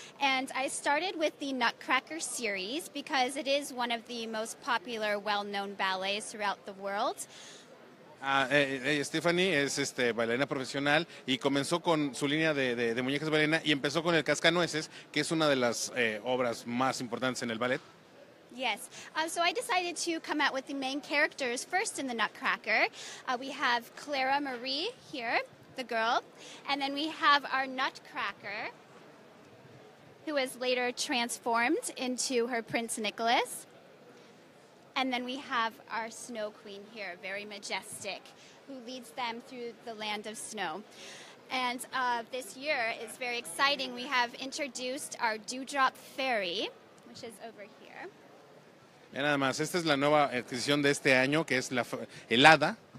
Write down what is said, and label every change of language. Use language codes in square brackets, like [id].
[en] And I started with the Nutcracker series because it is one of the most popular, well-known ballets throughout the world. [es] Stephanie es bailarina profesional y comenzó con su línea de muñecas ballerina y empezó con el cascanueces, que es una de las obras más importantes en el ballet. [en] Yes, so I decided to come out with the main characters first in the Nutcracker. We have Clara Marie here, the girl, and then we have our Nutcracker, who is later transformed into her Prince Nicholas. And then we have our Snow Queen here, very majestic, who leads them through the land of snow. And this year is very exciting. We have introduced our Dewdrop Fairy, which is over here. [es] Mira nada más, esta es la nueva adquisición de este año, que es la helada.